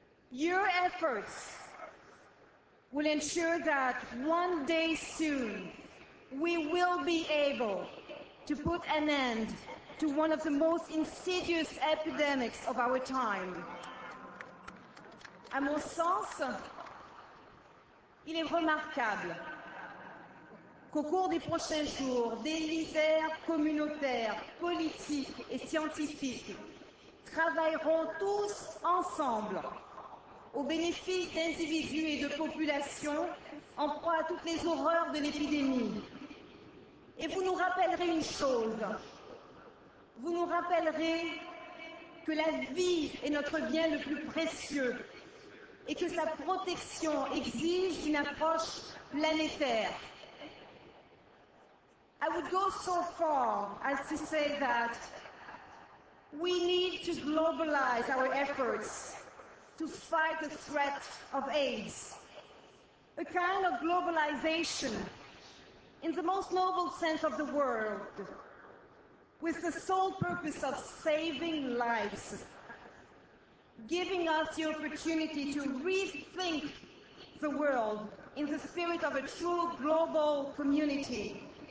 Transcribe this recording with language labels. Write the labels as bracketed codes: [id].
[en] Your efforts will ensure that one day soon we will be able to put an end to one of the most insidious epidemics of our time. [fr] À mon sens, il est remarquable qu'au cours des prochains jours, des leaders communautaires, politiques et scientifiques travailleront tous ensemble au bénéfice d'individus et de populations en proie à toutes les horreurs de l'épidémie. Et vous nous rappellerez une chose. Vous nous rappellerez que la vie est notre bien le plus précieux et que sa protection exige une approche planétaire. [en] I would go so far as to say that we need to globalize our efforts to fight the threat of AIDS. a kind of globalization in the most noble sense of the word, with the sole purpose of saving lives, giving us the opportunity to rethink the world in the spirit of a true global community.